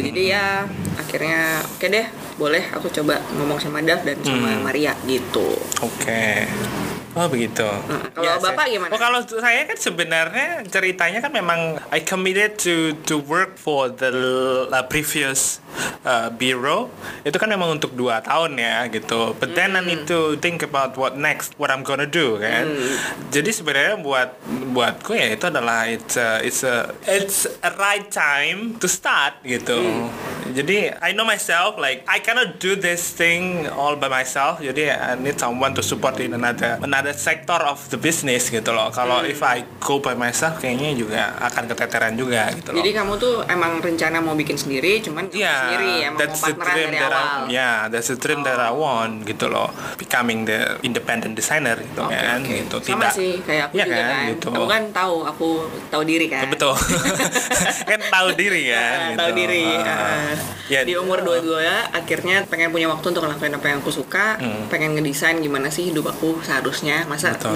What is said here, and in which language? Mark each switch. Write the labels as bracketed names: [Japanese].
[Indonesian] Jadi ya akhirnya oke deh, boleh aku coba ngomong sama Dav dan sama Maria gitu. Oke. Oh begitu. Kalau ya, bapak saya, gimana? Oh, kalau saya kan sebenarnya ceritanya kan memang [English] I committed to work for the previous bureau. [Indonesian] Itu kan memang untuk 2 tahun ya gitu. [English] But then I need to think about what next, what I'm gonna do [Indonesian] kan. Jadi sebenarnya buatku ya itu adalah [English] it's a right time to start [Indonesian] gitu. Jadi [English] I know myself, like I cannot do this thing all by myself. [Indonesian] Jadi [English] I need someone to support in another sector of the business [Indonesian] gitu loh. Kalau [English] if I go by myself [Indonesian] kayaknya juga akan keteteran juga gitu loh. Jadi kamu tuh emang rencana mau bikin sendiri, cuman sendiri emang mau partneran dari awal. [English] That's the dream that I want [Indonesian] gitu loh. [English] Becoming the independent designer [Indonesian] gitu kan. Gitu. Sama tidak. Sih kayak aku ya juga kan. Gitu. Aku kan tahu, aku tahu diri kan. Betul. Kan tahu diri kan. Gitu. Tahu diri. Di umur 22 ya, akhirnya pengen punya waktu untuk ngelakuin apa yang aku suka, pengen ngedesain gimana sih hidup aku seharusnya. Masa betul.